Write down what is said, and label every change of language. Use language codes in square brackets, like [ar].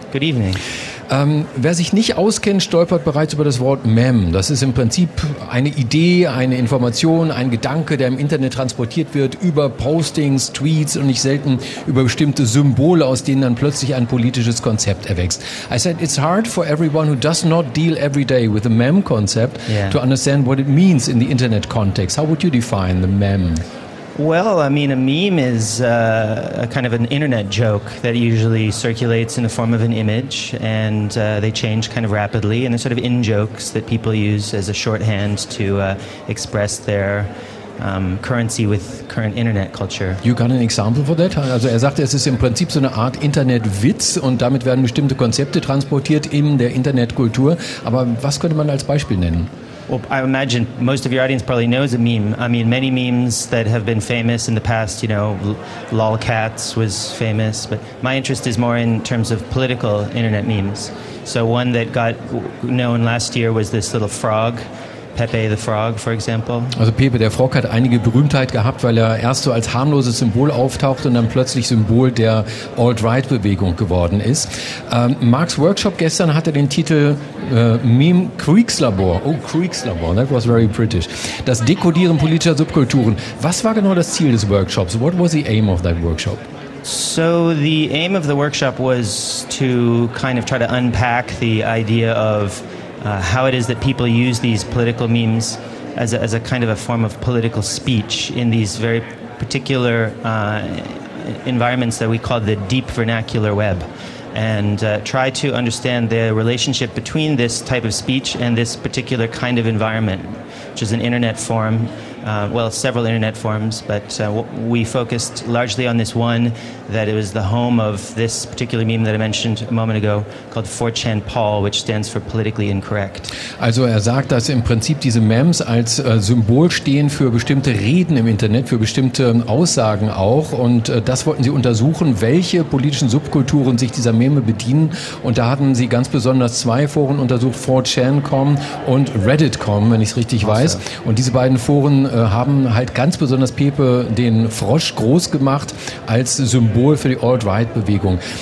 [en] Good evening. [de] Wer sich nicht auskennt, stolpert bereits über das Wort Mem. Das ist im Prinzip eine Idee, eine Information, ein Gedanke, der im Internet transportiert wird über Postings, Tweets und nicht selten über bestimmte Symbole, aus denen dann plötzlich ein politisches Konzept erwächst. [en] I said, it's hard for everyone who does not deal every day with the Mem concept to understand what it means in the Internet context. How would you define the Mem? Well, I mean, a meme is a kind of an internet joke that usually circulates in the form of an image, and they change kind of rapidly, and they're sort of in-jokes that people use as a shorthand to express their currency with current internet culture. You got an example for that? [de] Also er sagte, es ist im Prinzip so eine Art Internetwitz und damit werden bestimmte Konzepte transportiert in der Internetkultur. Aber was könnte man als Beispiel nennen? [en] Well, I imagine most of your audience probably knows a meme. I mean, many memes that have been famous in the past, you know, lolcats was famous. But my interest is more in terms of political internet memes. So one that got known last year was this little frog. Pepe the Frog, for example. [de] Also Pepe der Frog hat einige Berühmtheit gehabt, weil er erst so als harmloses Symbol auftaucht und dann plötzlich Symbol der Alt-Right-Bewegung geworden ist. Marks Workshop gestern hatte den Titel Meme Creeks Labor. [en] Oh, Creeks Labor, that was very British. [de] Das Dekodieren politischer Subkulturen. Was war genau das Ziel des Workshops? [en] What was the aim of that workshop? So the aim of the workshop was to kind of try to unpack the idea of how it is that people use these political memes as a kind of a form of political speech in these very particular environments that we call the deep vernacular web, and try to understand the relationship between this type of speech and this particular kind of environment, which is an internet forum, several internet forums, but we focused largely on this one, that it was the home of this particular meme that I mentioned a moment ago, called 4chan Paul, which stands for politically incorrect. [de] Also er sagt, dass im Prinzip diese Memes als Symbol stehen für bestimmte Reden im Internet, für bestimmte Aussagen auch, und das wollten sie untersuchen, welche politischen Subkulturen sich dieser Meme bedienen, und da hatten sie ganz besonders zwei Foren untersucht, 4chan.com und Reddit.com, wenn ich es richtig weiß, und diese beiden Foren haben halt ganz besonders Pepe den Frosch groß gemacht als Symbol für die Alt-Right-Bewegung.